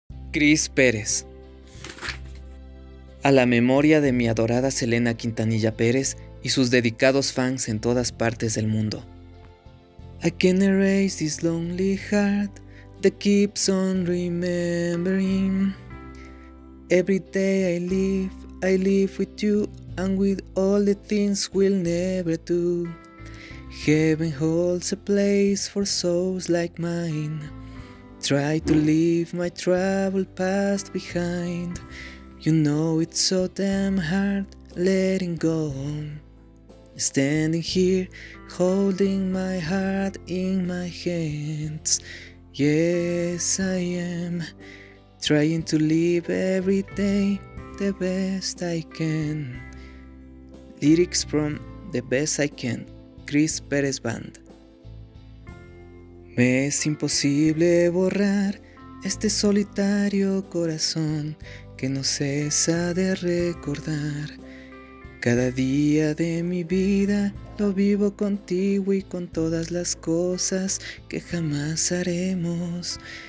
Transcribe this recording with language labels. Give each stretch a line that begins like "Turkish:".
Spanish: Cris Pérez. A la memoria de mi adorada Selena Quintanilla Pérez y sus dedicados fans en todas partes del mundo.
English: I can't erase this lonely heart that keeps on remembering. Every day I live with you and with all the things we'll never do. Heaven holds a place for souls like mine. Try to leave my troubled past behind. You know it's so damn hard letting go. Standing here, holding my heart in my hands. Yes, I am trying to live every day the best I can. Lyrics from The Best I Can, Cris Pérez Band.
Spanish: Me es imposible borrar este solitario corazón que no cesa de recordar. Cada día de mi vida lo vivo contigo y con todas las cosas que jamás haremos.